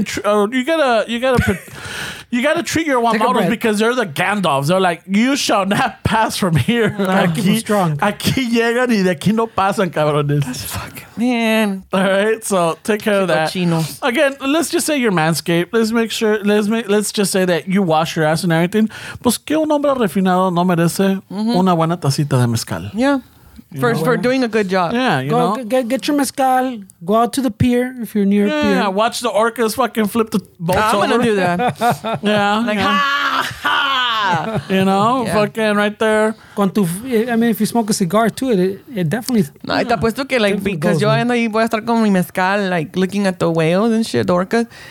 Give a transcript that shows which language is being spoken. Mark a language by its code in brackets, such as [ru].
[en] You gotta treat your wambados because they're the Gandalfs. They're like, you shall not pass from here. [es] Aquí, [en] keep strong. [es] Aquí llegan y de aquí no pasan, cabrones. [en] That's fucking... Man. All right, so take care of that. [es] Chinos. [en] Again, let's just say your manscape. Let's just say that you wash your ass and everything. [es] Pues que un hombre refinado no merece una buena tacita de mezcal. [en] Yeah. For doing a good job. Yeah, you know. Get your mezcal. Go out to the pier if you're near a pier. Yeah, watch the orcas fucking flip the boats over. I'm going to do that. Yeah. Like, ha, ha. You know, fucking right there. If you smoke a cigar too, it definitely... [es] No, te apuesto que, [en] like, because [es] yo ando ahí, voy a estar con mi mezcal, [en] like, looking at the whales and shit, the orcas.